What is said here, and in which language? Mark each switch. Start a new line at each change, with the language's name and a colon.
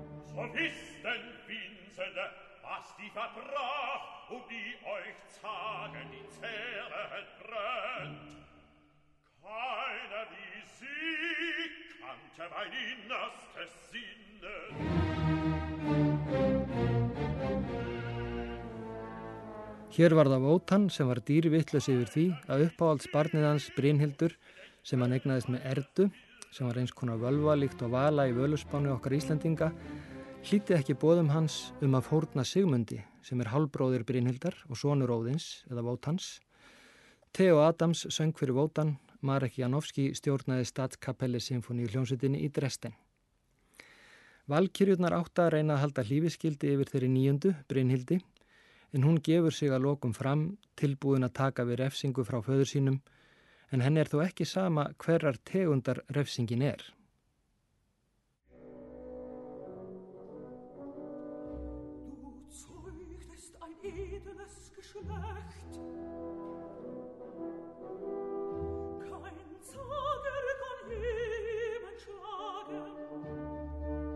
German: So wisst denn, Winselnde, was die verbrach, um die euch Zagen die Zähre entbrennt. Keiner wie sie kannte mein innerstes Sinnen.
Icelandic: Hér var það Wotan sem var dýrvitlaus yfir því að uppáhalds barnið hans Brynhildur sem hann eignaðist með Erdu, sem var eins konar völva líkt og vala í völuspánu okkar Íslendinga, hlýtti ekki boðum hans að fórna Sigmundi sem hálfbróðir Brynhildar og sonur Óðins eða Wotans. Theo Adams söng fyrir Wotan, Marek Janowski stjórnaði Stadtkapelle Sinfoníu hljómsveitinni í Dresden. Valkyrjurnar átta að reyna að halda lífiskildi yfir þeirri níundu, Brynhildi, en hún gefur sig að lokum fram tilbúin að taka við refsingu frá föður sínum, en henni þó ekki sama hverrar tegundar refsingin
German: Du zeugtest ein edles Geschlecht. Kein Zager kann jemand schlagen.